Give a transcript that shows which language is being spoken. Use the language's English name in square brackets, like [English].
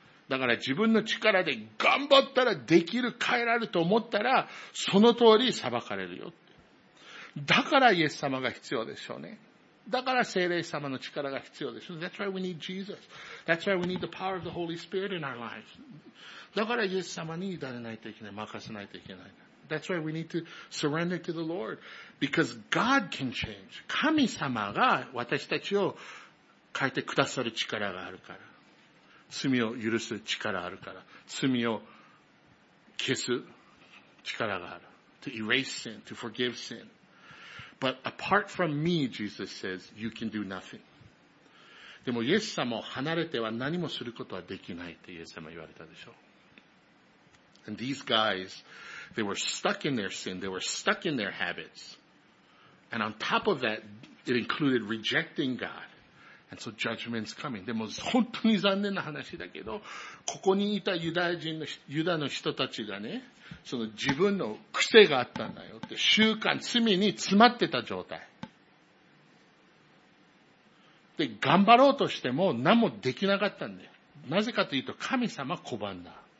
[Japanese] だから自分の力で頑張ったらできる、変えられると思ったら、その通り裁かれるよ。だからイエス様が必要でしょうね。だから聖霊様の力が必要です。 [English] That's why we need Jesus. That's why we need the power of the Holy Spirit in our lives. [Japanese] だからイエス様に委ねないといけない。任せないといけない。 [English] That's why we need to surrender to the Lord. Because God can change. [Japanese] 神様が私たちを変えてくださる力があるから。罪を許す力があるから。罪を消す力がある。 [English] To erase sin, to forgive sin. But apart from me, Jesus says, you can do nothing. [Japanese] でもイエス様を離れては何もすることはできないってイエス様言われたでしょう。 [English] And these guys, they were stuck in their sin, they were stuck in their habits. And on top of that, it included rejecting God. And so judgment's coming. [Japanese] でも本当に残念な話だけど、ここにいたユダの人たちがね、その自分の癖があったんだよって習慣、罪に詰まってた状態。で、頑張ろうとしても何もできなかったんだよ。なぜかというと神様拒んだ。